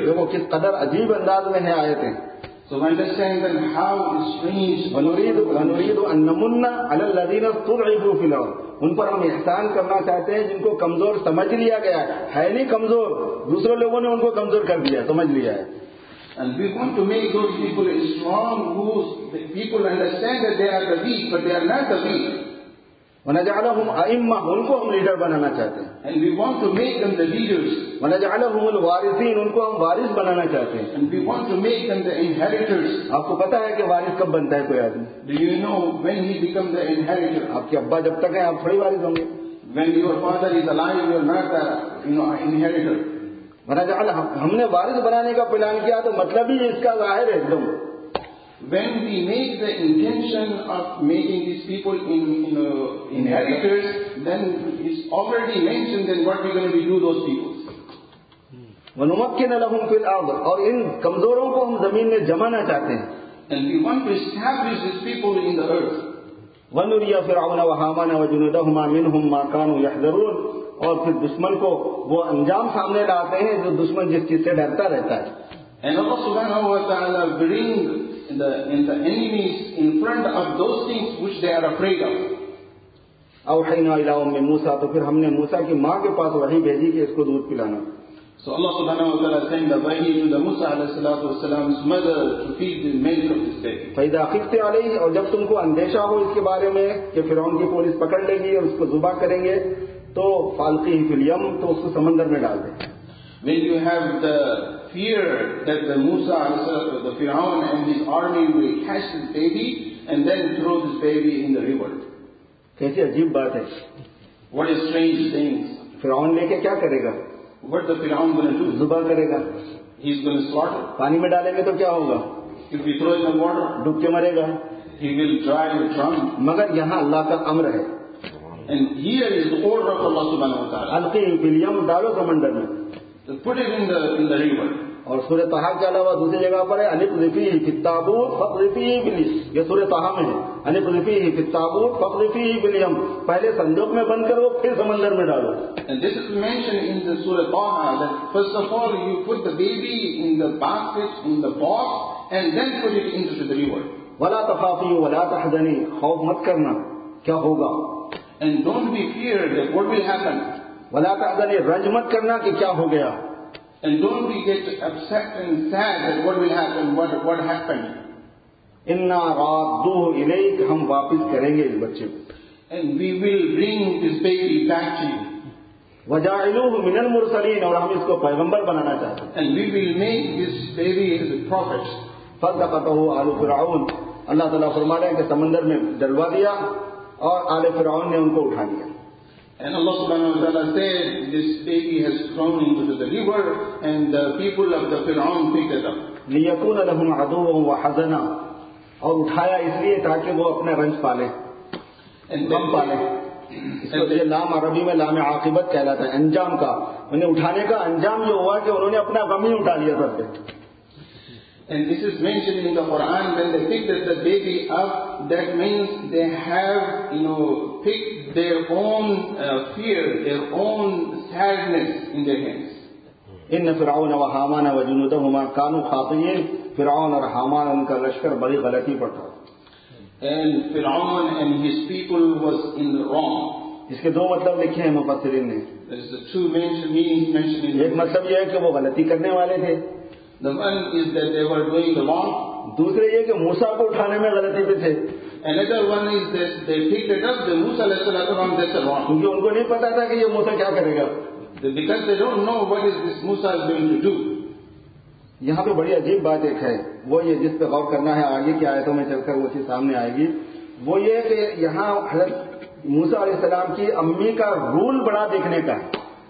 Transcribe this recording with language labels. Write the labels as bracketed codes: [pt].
[ur] دیکھو کس قدر عجیب انداز میں ہیں آیتیں. [en] So we understand then how strange. [ar] وَنُرِيدُ أَن نَمُنَّ عَلَى الَّذِينَ اسْتُضْعِفُوا فِي الْأَرْضِ. [ur] ان پر ہم احسان کرنا چاہتے ہیں جن کو کمزور سمجھ لیا گیا ہے نہیں کمزور دوسرے لوگوں نے ان کو کمزور کر دیا سمجھ لیا ہے [en] And we want to make those people strong whose people understand that they are the weak, but they are not the weak. [ar] وَنَجَعْلَهُمْ أَئِمَّةً [ur] ان کو ہم لیڈر بنانا چاہتے ہیں [en] And we want to make them the leaders. [ar] وَنَجَعْلَهُمُ الْوَارِثِينَ [ur] ان کو ہم وارث بنانا چاہتے ہیں [en] And we want to make them the inheritors. [ur] آپ کو پتا ہے کہ وارث کب بنتا ہے کوئی آدمی [en] Do you know when he becomes the inheritor? [ur] آپ کے ابا جب تک ہیں آپ تھوڑی وارث ہوں گے [en] When your father is alive, you are not the inheritor. [ur] ہم نے وارث بنانے کا پلان کیا تو مطلب ہی اس کا ظاہر ہے ایک دم [en] When we make the intention of making these people inheritors, then it's already mentioned then what we're going to do those people. [ar] وَنُمَكِّنَ لَهُمْ فِي الْأَرْضِ [ur] اور ان کمزوروں کو ہم زمین میں جمانا چاہتے ہیں [en] And we want to establish these people in the earth. [ar] وَنُرِيَ فِرْعَوْنَ وَحَامَانَ وَجُنُودَهُمَا مِنْهُمْ مَا كَانُوا يَحْذَرُونَ [ur] اور پھر دشمن کو وہ انجام سامنے لاتے ہیں جو دشمن جس چیز سے ڈرتا رہتا ہے [en] And Allah subhanahu wa ta'ala bring the enemies in front of those things which they are afraid of. [ar] اَوْحَيْنَا إِلَىٰ أُمِّ مُوسَىٰ [ur] تو پھر ہم نے موسیٰ کی ماں کے پاس وحی بھیجی کہ اس کو دودھ پلانا [en] So Allah subhanahu wa ta'ala sent the wahi to the Musa alayhi salatu wa salam's mother to feed the milk of his baby. [ar] فَإِذَا خِفْتِ عَلَيْهِ [ur] اور جب تم کو اندیشہ ہو اس کے بارے میں کہ فرعون کی پولیس پکڑ لے گی اور اس کو ذبح کریں گے تو فالقی فلیم تو اس کو سمندر میں ڈال دے [en] When you have the fear that the Musa the Firaun and his army will catch this baby and then throw this baby in the river. [ur] کیسی عجیب بات ہے [en] What a strange thing. [ur] فرعون لے کے کیا کرے گا [en] What the Firaun going to do? [ur] ذبح کرے گا [en] He's going to slaughter. [ur] پانی میں ڈالیں گے تو کیا ہوگا [en] If you throw in the water. [ur] ڈوب کے مرے گا [en] He will dry the drum. [ur] مگر یہاں اللہ کا امر ہے [en] And here is the order of Allah subhanahu wa ta'ala. [ur] الْقِيْمْ ڈالو سمندر میں [en] Put it in the river. [ur] اور سورہ طہٰ کے علاوہ دوسری جگہ پر ہے [ar] اَلِقْذِفِيهِ فِي التَّابُوتِ فَاقْذِفِيهِ فِي الْيَمِّ [ur] یہ سورہ طہٰ میں ہے اَلِقْذِفِيهِ فِي التَّابُوتِ فَاقْذِفِيهِ فِي الْيَمِّ پہلے صندوق میں بند کرو پھر سمندر میں ڈالو [en] And this is mentioned in the Surah Taha that first of all you put the baby in the basket, in the box and then put it into the river. [ar] وَلَا تَخَافِي وَلَا تَحْزَنِي [ur] خوف مت کرنا کیا ہوگا [en] And don't be feared that what will happen. [ar] وَلَا تَعْذَنِي [ur] رَنْجْ مَتْ كَرْنَا کہ کیا ہو گیا [en] And don't be get upset and sad that what will happen, what happened. [ar] إِنَّا رَادُّوهُ إِلَيْكَ [ur] ہم واپس کریں گے اس بچے [en] And we will bring this baby back to you. [ar] وَجَاعِلُوهُ مِنَ الْمُرْسَلِينَ [ur] اور ہم اس کو پیغمبر بنانا چاہتے ہیں [en] And we will make this baby as a prophet. [ar] فَلْتَقَتَهُ آلُ فِرْعَوْنَ [ur] اللہ تعالیٰ فرما رہے ہیں کہ سمندر میں ڈلوا دیا اور آل فرعون نے ان کو اٹھا لیا [en] And Allah subhanahu wa ta'ala said, this baby has thrown into the river and the people of the Fir'aun picked it up. [ar] لِيَكُونَ لَهُمْ عَدُوًا وَحَزَنًا [ur] اور اٹھایا اس لیے تاکہ وہ اپنا رنج پالے غم پالے اس کو یہ لام عربی میں لام عاقبت کہلاتا ہے انجام کا انہیں اٹھانے کا انجام جو ہوا کہ انہوں نے اپنا غم ہی اٹھا لیا سب سے [en] And this is mentioned in the Quran when they picked the baby up, that means they have, picked their own fear, their own sadness in their hands. [ar] إِنَّ فِرْعَوْنَ وَحَامَانَ وَجُنُودَهُمَا كَانُوا خَاطِئِينَ [ur] فرعون اور حامان ان کا لشکر بڑی غلطی پر تھا [en] And Fir'aun and his people was in the wrong. [ur] اس کے دو مطلب لکھے ہیں مفسرین نے ایک مطلب یہ ہے کہ وہ غلطی کرنے والے تھے [en] The one is that they were doing the wrong. [ur] دوسرے یہ کہ موسیٰ کو اٹھانے میں غلطی پہ تھے [en] Another one is that they picked it up the Musa علیہ السلام they said wrong. [ur] کیونکہ ان کو نہیں پتا تھا کہ یہ موسیٰ کیا کرے گا [en] Because they don't know what is this Musa is going to do. [ur] یہاں پہ بڑی عجیب بات ایک ہے وہ یہ جس پہ غور کرنا ہے آگے کی آیتوں میں چل کر وہ چیز سامنے آئے گی وہ یہ کہ یہاں حضرت موسیٰ علیہ السلام کی امی کا رول بڑا دیکھنے کا ہے